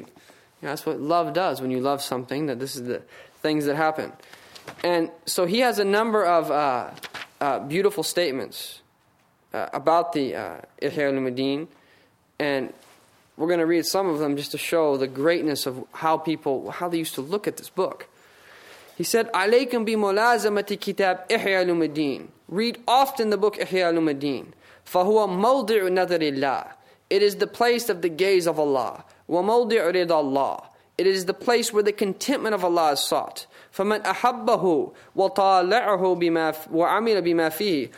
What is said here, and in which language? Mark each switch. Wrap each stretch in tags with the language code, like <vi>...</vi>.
<en>You know, that's what love does when you love something, that this is the things that happen. And so he has a number of beautiful statements about the Ihya Ulumuddin. And we're going to read some of them just to show the greatness of how they used to look at this book. He said,</en> <ar>عَلَيْكُمْ بِمُلَازَمَةِ كِتَابِ إِحْيَى الْمُدِينِ.</ar> <en>Read often the book Ihya Ulumuddin.</en> <ar>فَهُوَ مَوْضِعُ نَذَرِ اللَّهِ.</ar> <en>It is the place of the gaze of Allah.</en> <ar>وَمَوْضِعُ رِضَى اللَّهِ.</ar> <en>It is the place where the contentment of Allah is sought.</en> <ar>فَمَنْ أَحَبَّهُ وَطَالَعُهُ وَعَمِلَ بِمَا فِيهِ.</ar>